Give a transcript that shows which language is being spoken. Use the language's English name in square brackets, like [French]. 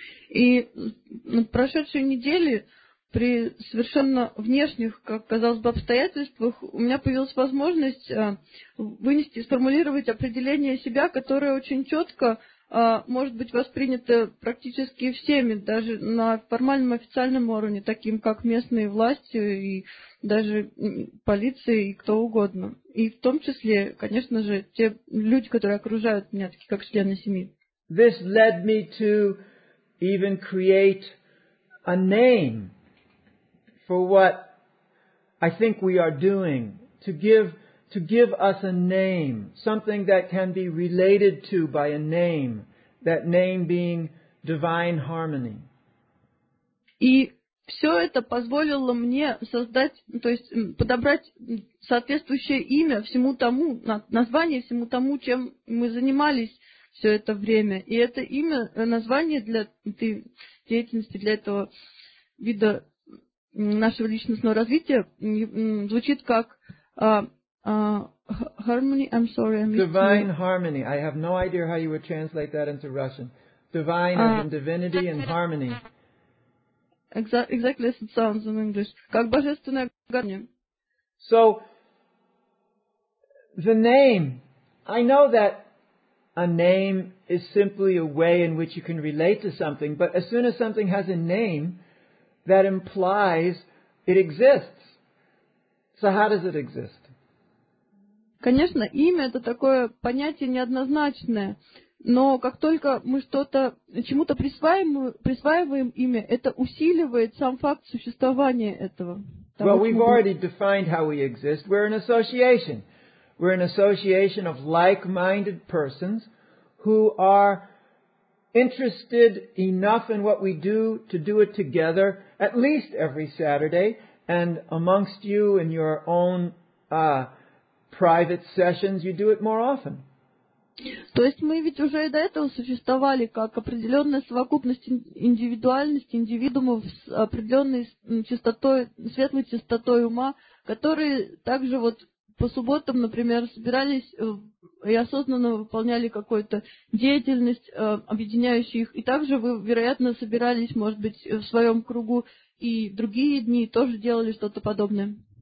[Russian] И прошедшие недели, при совершенно внешних, как казалось бы, обстоятельствах, у меня появилась возможность вынести и сформулировать определение себя, которое очень четко может быть воспринято практически всеми, даже на формальном официальном уровне, таким как местные власти и даже полиция и кто угодно. И в том числе, конечно же, те люди, которые окружают меня, такие как члены семьи. [English] This led me to even create a name for what I think we are doing to give us a name, something that can be related to by a name, that name being divine harmony. [Russian] И все это позволило мне создать, то есть подобрать соответствующее имя всему тому, название всему тому, чем мы занимались все это время. И это имя, название для этой деятельности, для этого вида нашего личностного развития звучит как harmony. [English] I'm sorry, I'm divine to... harmony. I have no idea how you would translate that into Russian. Divine and divinity and harmony. Exactly as it sounds in English. [Russian] Как божественная гармония. [English] So the name. I know that a name is simply a way in which you can relate to something, but as soon as something has a name, that implies it exists. So how does it exist? [Russian] Конечно, имя это такое понятие неоднозначное. Но как только мы что-то, чему-то присваиваем имя, это усиливает сам факт существования этого. [English] Well, we've already defined how we exist. We're an association. We're an association of like-minded persons who are interested enough in what we do to do it together at least every Saturday and amongst you in your own private sessions, you do it more often. [Russian] То есть мы ведь уже и до этого существовали как определенная совокупность индивидуальности, индивидуумов с определенной чистотой, светлой чистотой ума, которые также вот по субботам, например, собирались и осознанно выполняли какую-то деятельность, объединяющую их. И также вы, вероятно, собирались, может быть, в своем кругу и другие дни тоже делали что-то подобное.